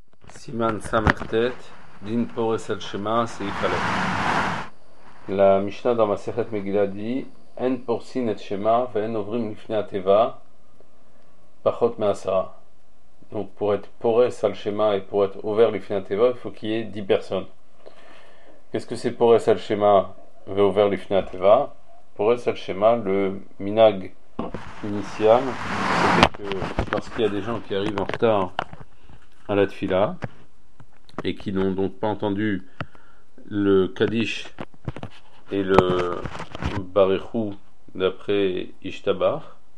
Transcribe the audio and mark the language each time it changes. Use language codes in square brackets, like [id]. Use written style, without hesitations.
[he] סימן סמכתת, דין פורס על שמה, סעיף א'. למשנה במסכת מגילה די, אין פורסין את שמה ואין עוברים לפני התיבה פחות מעשרה. [fr] Donc pour être פורס על שמה et pour être [he] עובר לפני התיבה, [fr] il faut qu'il y ait 10 personnes. Qu'est-ce que c'est [he] פורס על שמה ועובר לפני התיבה? [fr] פורס על שמה, le minag initial, c'est que lorsqu'il y a des gens qui arrivent en retard à la tefila et qui n'ont donc pas entendu le kaddish et le barichou d'après Ishtabar,